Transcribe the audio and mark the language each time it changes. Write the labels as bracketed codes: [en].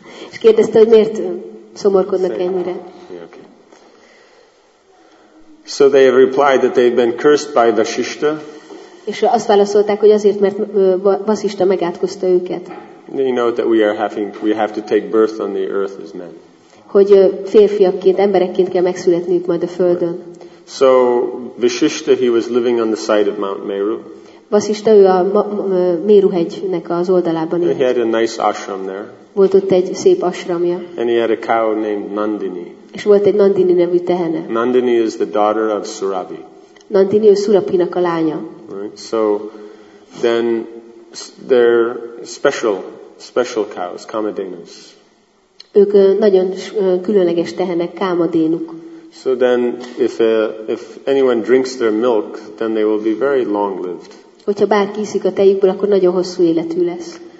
[hu] És kérdezte, hogy miért szomorkodnak ennyire. [en] So they have replied that they've been cursed by Vasishta. [hu] És azt válaszolták, hogy azért, mert Vasishta megátkozta őket. [en] You know that we have to take birth on the earth as men. [hu] Hogy férfiakként, emberekként kell megszületniük majd a földön. [en] So Vasishta, he was living on the side of Mount Meru. [hu] Vasishta, ő a Méruhegynek az oldalában élt. [en] He had a nice ashram there. [hu] Volt ott egy szép ashramja. [en] And he had a cow named Nandini. [hu] És volt egy Nandini nevű tehene. [en] Nandini is the daughter of Surabhi. [hu] Nandini ő Surabhinak a lánya. [en] Right. So then they're special cows, kamadénus. [hu] Ők nagyon különleges tehenek, kamadénuk. [en] So then if anyone drinks their milk, then they will be very long lived. [hu] Hogyha bárki iszik a tejükből, akkor nagyon hosszú életű lesz.